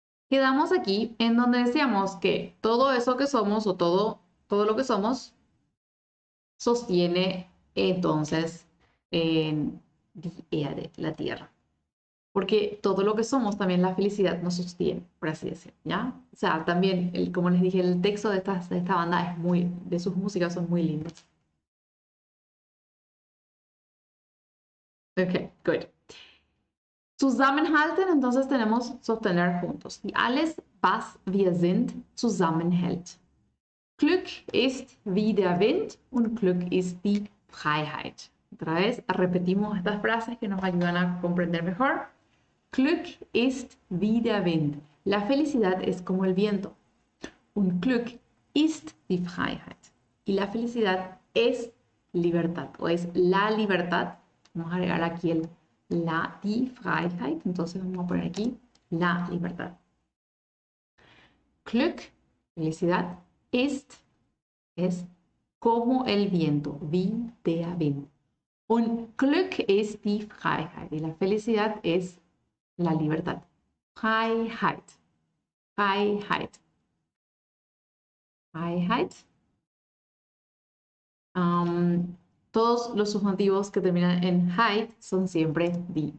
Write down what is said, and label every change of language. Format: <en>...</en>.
<es>Quedamos aquí en donde decíamos que todo eso que somos o todo lo que somos sostiene entonces en la tierra, porque todo lo que somos, también la felicidad nos sostiene, por así decir, ¿ya? O sea, también, como les dije, el texto de esta banda es muy, de sus músicas son muy lindas.</es> <en>Okay, good.</en> <es>Zusammenhalten, entonces tenemos sostener juntos.</es> <de>Y alles, was wir sind, zusammenhält. Glück ist wie der Wind und Glück ist die Freiheit.</de> <es>Otra vez repetimos estas frases que nos ayudan a comprender mejor.</es> <de>Glück ist wie der Wind.</de> <es>La felicidad es como el viento.</es> <de>Und Glück ist die Freiheit.</de> <es>Y la felicidad es libertad o es la libertad. Vamos a agregar aquí el la, die Freiheit. Entonces vamos a poner aquí la libertad. Glück, felicidad, ist, es como el viento.</es> <de>Wie der Wind. Un Glück ist die Freiheit.</de> <es>Y la felicidad es la libertad. Freiheit. Freiheit. Freiheit. Todos los sustantivos que terminan en Heit son siempre die.</es>